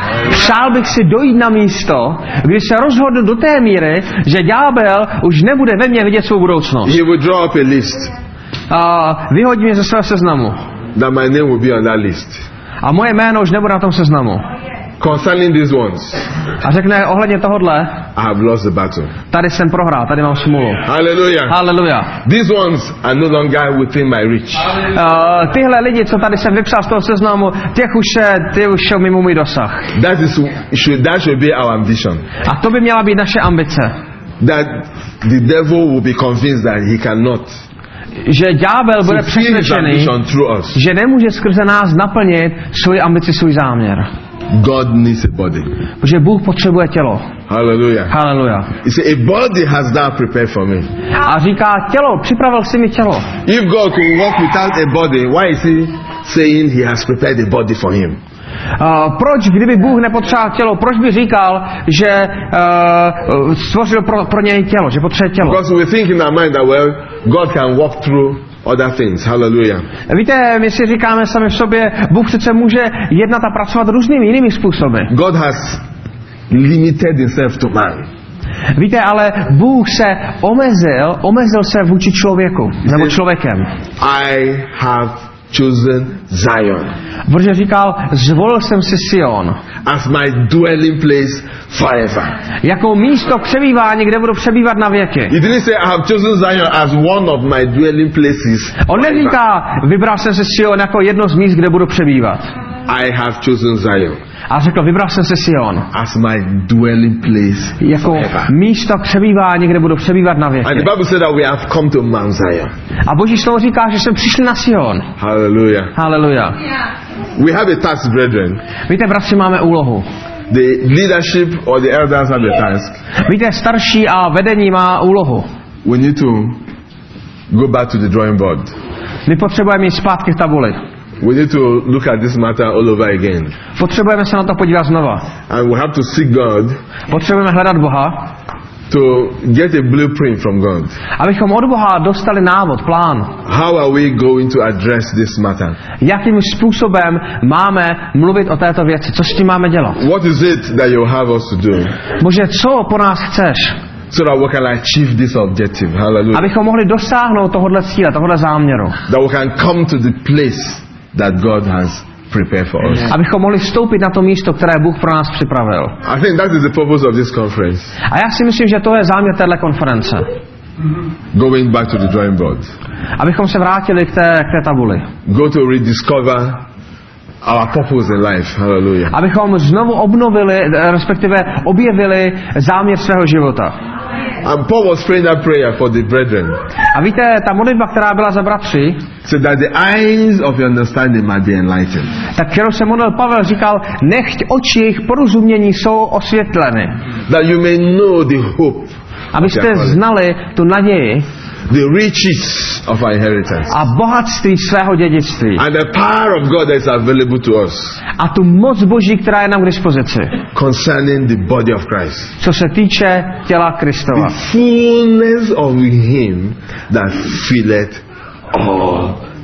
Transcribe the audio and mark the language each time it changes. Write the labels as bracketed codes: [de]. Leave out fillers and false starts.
[cs] Přál bych si dojít na místo, kdy se rozhodnu do té míry, že ďábel už nebude ve mně vidět svou budoucnost. [en] He will draw up a list. [cs] Vyhodí mě ze svého seznamu. [en] That my name will be on that list. [cs] A moje jméno už nebude na tom seznamu. [en] Concerning these ones. [cs] A řekne ohledně tohodle. [en] I have lost the battle. [cs] Tady jsem prohrál, tady mám smůlu. Hallelujah. Hallelujah. [en] These ones are no longer within my reach. [cs] Tyhle lidi, co tady jsem vypsal z toho seznamu, ty už mimo můj dosah. [en] That should be our ambition. [cs] A to by měla být naše ambice. [en] That the devil will be convinced that he cannot. [cs] Že ďábel bude přesvědčený, že nemůže skrze nás naplnit svoji ambici, svůj záměr. [en] God needs a body. [cs] Protože Bůh potřebuje tělo. Hallelujah. Hallelujah. [en] He said, a body has that prepared for me. [cs] A říká, tělo, připravil jsi mi tělo. [en] If God can walk without a body, why is he saying he has prepared a body for him? [cs] Proč, kdyby Bůh nepotřeboval tělo, proč by říkal, že stvořil pro něj tělo, že potřebuje tělo? [en] Because we think in our mind that well, God can walk through other things. Hallelujah. [cs] Víte, my si říkáme sami v sobě, Bůh přece může jednat a pracovat různými jinými způsoby. [en] God has limited himself to man. [cs] Víte, ale Bůh se omezil se vůči člověku, nebo člověkem. [en] I have chosen Zion. [cs] Protože říkal, zvolil jsem si Sion. [en] As my dwelling place forever. [cs] Jako místo přebývání, kde budu přebývat na věky. [en] He didn't say, I have chosen Zion as one of my dwelling places. [cs] On neříká, vybral jsem si Sion jako jedno z míst, kde budu přebývat. [en] I have chosen Zion. [cs] A řekl, vybral jsem si Sion. [en] As my dwelling place forever. [cs] Jako místo přebývání, kde budu přebývat na věky. [en] And the Bible said that we have come to Mount Zion. [cs] A Boží slovo říká, že jsme přišli na Sion. Hallelujah. Hallelujah. [en] We have a task, brethren. [cs] Víte, bratři, máme úlohu. [en] The leadership or the elders have a task. [cs] Víte, starší a vedení má úlohu. [en] We need to go back to the drawing board. [cs] My potřebujeme jít zpátky k tabuli. [en] We need to look at this matter all over again. [cs] Potřebujeme se na to podívat znova. [en] And we have to seek God. [cs] Potřebujeme hledat Boha. [en] To get a blueprint from God. [cs] Abychom od Boha dostali návod, plán. [en] How are we going to address this matter? [cs] Jakým způsobem máme mluvit o této věci? Co s tím máme dělat? [en] What is it that you have us to do? [cs] Bože, co po nás chceš? [en] So that we can achieve this objective. Hallelujah. [cs] Abychom mohli dosáhnout tohohle cíle, tohohle záměru. [en] That we can come to the place that God has prepared for us. [cs] Abychom mohli vstoupit na to místo, které Bůh pro nás připravil. [en] I think that is the purpose of this conference. [cs] A já si myslím, že to je záměr téhle konference. [en] Going back to the drawing board. [cs] Abychom se vrátili k té tabuli. [en] Go to rediscover our purpose in life. Hallelujah. [cs] Abychom znovu obnovili, respektive objevili záměr svého života. [en] And Paul was praying that prayer for the brethren. [cs] A víte, ta modlitba, která byla za bratři, [en] so that the eyes of your understanding might be enlightened. [cs] Tak kterou se modlil Pavel, říkal, nechť oči jejich porozumění jsou osvětleny. [en] That you may know the hope. [cs] Abyste znali tu naději. [en] The riches of our inheritance. [cs] A bohatství svého dědictví. [en] And the power of God that is available to us. [cs] A tu moc Boží, která je nám k dispozici. [en] Concerning the body of Christ. [cs] Co se týče těla Kristova. [en] The fullness of him that filleth all